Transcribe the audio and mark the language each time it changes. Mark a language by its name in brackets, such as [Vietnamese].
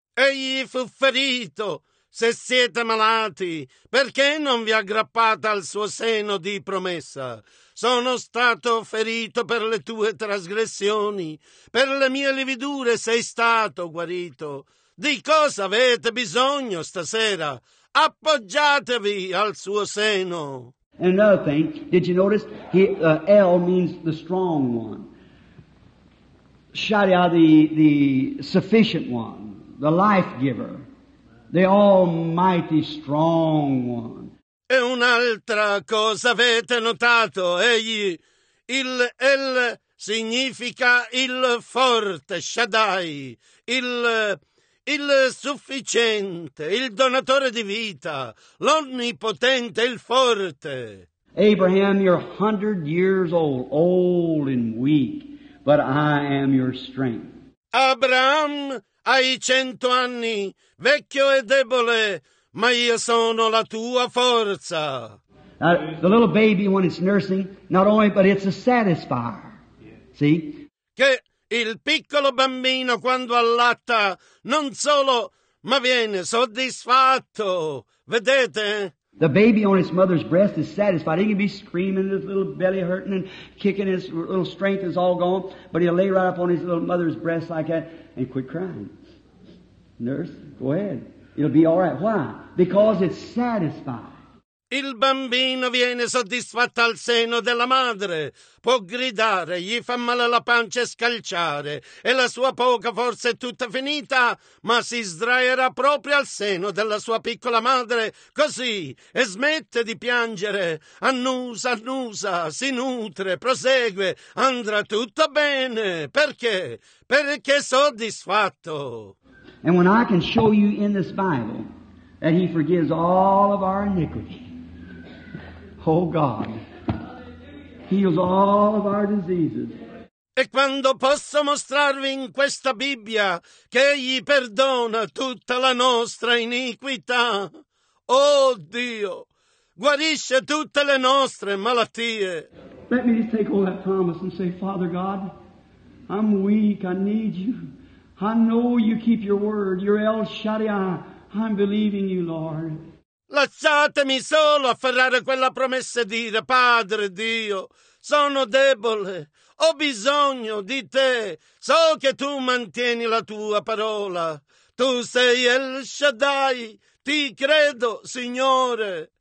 [Italian] Egli fu ferito. Se siete malati, perché non vi aggrappate al suo seno di promessa? Sono stato ferito per le tue trasgressioni. Per le mie lividure sei stato guarito. Di cosa avete bisogno stasera? Appoggiatevi al suo seno. [English] And another thing, did you notice? El means the strong one. Shaddai, the sufficient one, the life giver, the almighty strong one. [Italian] E un'altra cosa avete notato? Egli, El significa il forte, Shaddai, il sufficiente, il donatore di vita, l'onnipotente, il forte. [English] Abraham, you're 100 years old, old and weak, but I am your strength. [Italian] Abraham, hai 100 anni, vecchio e debole, ma io sono la tua forza. [English] The little baby, when it's nursing, not only, but it's a satisfier. See? [Italian] Che il piccolo bambino quando allatta non solo ma viene soddisfatto, vedete? [English] The baby on its mother's breast is satisfied. He can be screaming, his little belly hurting and kicking, his little strength is all gone, but he'll lay right up on his little mother's breast like that and quit crying. Nurse, go ahead. It'll be all right. Why? Because it's satisfied. [Italian] Il bambino viene soddisfatto al seno della madre, può gridare, gli fa male la pancia e scalciare, e la sua poca forza è tutta finita, ma si sdraierà proprio al seno della sua piccola madre, così, e smette di piangere, annusa, annusa, si nutre, prosegue, andrà tutto bene, perché? Perché è soddisfatto. [English] And when I can show you in this Bible that he forgives all of our iniquity, oh God, heals all of our diseases. [Italian] E quando posso mostrarvi in questa Bibbia che egli perdona tutta la nostra iniquità, oh Dio, guarisce tutte le nostre malattie. [English] Let me just take all that promise and say, Father God, I'm weak, I need you. I know you keep your word, you're El Shaddai, I'm believing you, Lord. [Italian] Lasciatemi solo afferrare quella promessa e dire, Padre Dio, sono debole, ho bisogno di te, so che tu mantieni la tua parola, tu sei El Shaddai, ti credo, Signore.